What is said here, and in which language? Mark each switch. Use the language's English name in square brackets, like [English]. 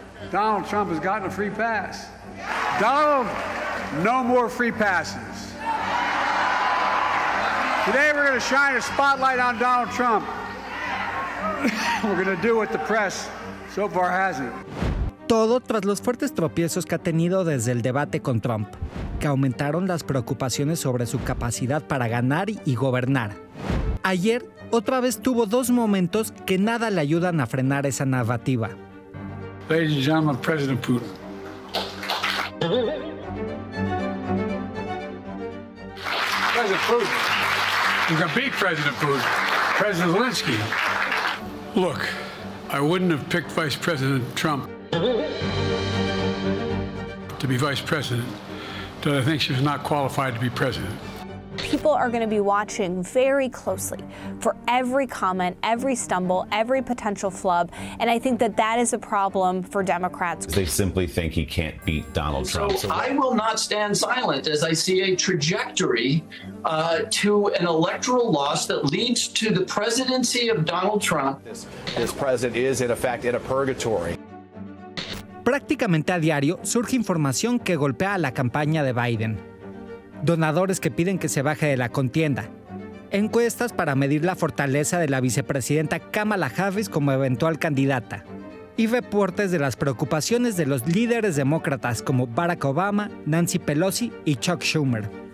[English] Donald Trump has gotten a free pass. Donald, no more free passes. Today we're going to shine a spotlight on Donald Trump. We're going to do what the press so far hasn't. [Spanish] Todo tras los fuertes tropiezos que ha tenido desde el debate con Trump, que aumentaron las preocupaciones sobre su capacidad para ganar y gobernar. Ayer, otra vez tuvo 2 momentos que nada le ayudan a frenar esa narrativa. [English] Ladies and gentlemen, President Putin. President Putin. You can beat President Putin. President Zelensky. Look, I wouldn't have picked Vice President Trump to be vice president, but I think she was not qualified to be president. People are going to be watching very closely for every comment, every stumble, every potential flub, and I think that that is a problem for Democrats. They simply think he can't beat Donald Trump. So I will not stand silent as I see a trajectory to an electoral loss that leads to the presidency of Donald Trump. This president is, in effect, in a purgatory. [Spanish] Prácticamente a diario surge información que golpea a la campaña de Biden. Donadores que piden que se baje de la contienda. Encuestas para medir la fortaleza de la vicepresidenta Kamala Harris como eventual candidata. Y reportes de las preocupaciones de los líderes demócratas como Barack Obama, Nancy Pelosi y Chuck Schumer.